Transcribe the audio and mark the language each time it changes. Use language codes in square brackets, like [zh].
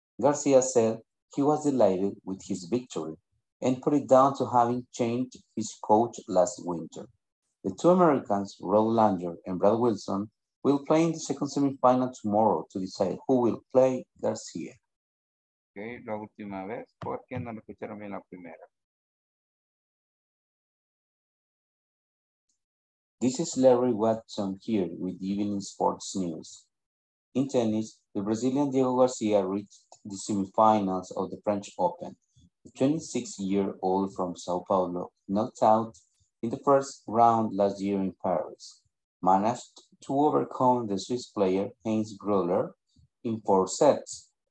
[en] Garcia said he was delighted with his victory and put it down to having changed his coach last winter. The two Americans, Rod Langer and Brad Wilson, will play in the second semifinal tomorrow to decide who will play Garcia. [es] Okay, la última vez, porque no lo escucharon bien la primera. [en] This is Larry Watson here with Evening Sports News. In tennis, the Brazilian Diego Garcia reached the semifinals of the French Open. The 26-year-old from Sao Paulo knocked out in the first round last year in Paris, managed to overcome the Swiss player Hans Gruller in four sets.